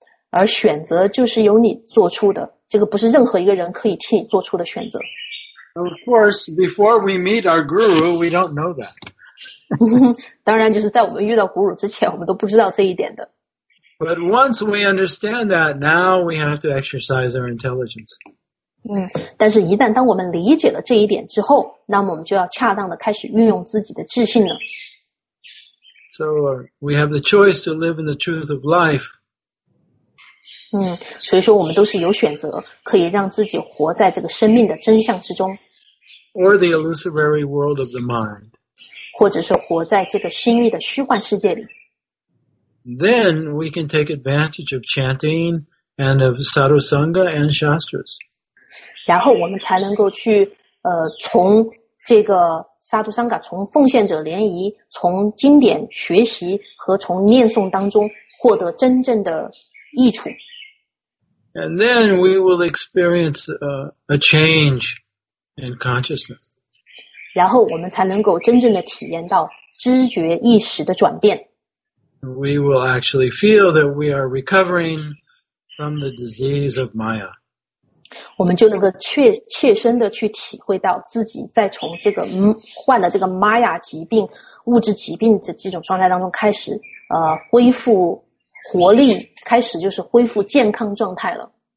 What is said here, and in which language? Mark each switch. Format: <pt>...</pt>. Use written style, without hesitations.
<zh>而选择就是由你做出的，这个不是任何一个人可以替你做出的选择。</zh> <en>Of course, before we meet our guru, we don't know that.</en> <zh>当然就是在我们遇到 guru 之前，我们都不知道这一点的。</zh> <en>But once we understand that, now we have to exercise our intelligence.</en> <zh>但是一旦当我们理解了这一点之后，那么我们就要恰当的开始运用自己的智性了。</zh> <en>So we have the choice to live in the truth of life.</en> <zh>所以说我们都是有选择，可以让自己活在这个生命的真相之中。</zh> <en>Or the illusory world of the mind.</en> <zh>或者是活在这个心意的虚幻世界里。</zh> <en>Then we can take advantage of chanting and of sadhusanga and shastras.</en> <zh>然后我们才能够去从这个sadhusanga，从奉献者联谊，从经典学习和从念诵当中获得真正的益处。</zh> <en>And then we will experience a change in consciousness.</en> <zh>然后我们才能够真正的体验到知觉意识的转变。</zh> <en>We will actually feel that we are recovering from the disease of Maya.</en> <zh>我们就能够切身的去体会到自己在从这个患了这个 Maya 疾病、物质疾病的这种状态当中开始恢复活力，开始就是恢复健康状态了。</zh>